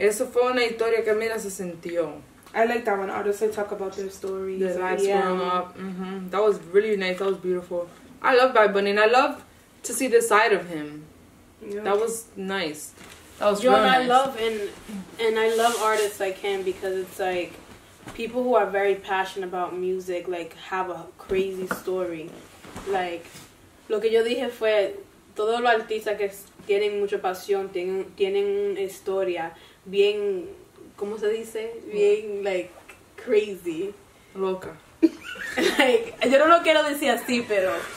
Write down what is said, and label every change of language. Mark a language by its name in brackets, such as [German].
[Spanish] Eso fue una historia que mira se sintió. [English] I like that when artists they talk about their stories. The lights growing up. Mm-hmm. That was really nice. That was beautiful. I love Bad Bunny. And I love to see this side of him. Yeah. That was nice. That was really nice. I love artists like him because it's like people who are very passionate about music like have a crazy story. Like, [Spanish] lo que yo dije fue. Todos los artistas que tienen mucha pasión tienen una historia bien, ¿cómo se dice? [English] Bien, like, crazy. [Spanish] Loca. Like, yo no lo quiero decir así, pero.